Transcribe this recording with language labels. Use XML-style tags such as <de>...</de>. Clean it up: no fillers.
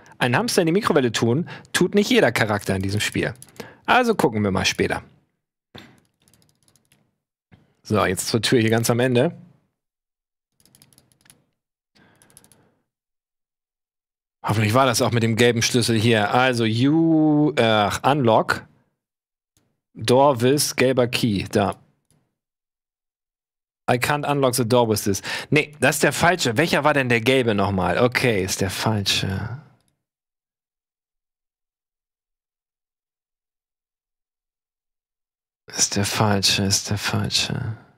<de>Einen Hamster in die Mikrowelle tun, tut nicht jeder Charakter in diesem Spiel. Also gucken wir mal später. So, jetzt zur Tür hier ganz am Ende. Hoffentlich war das auch mit dem gelben Schlüssel hier.</de> <en>Also, unlock. Door with gelber Key, da. I can't unlock the door with this.</en> <de>Nee, das ist der falsche. Welcher war denn der gelbe nochmal? Okay, ist der falsche. Ist der falsche, ist der falsche.</de>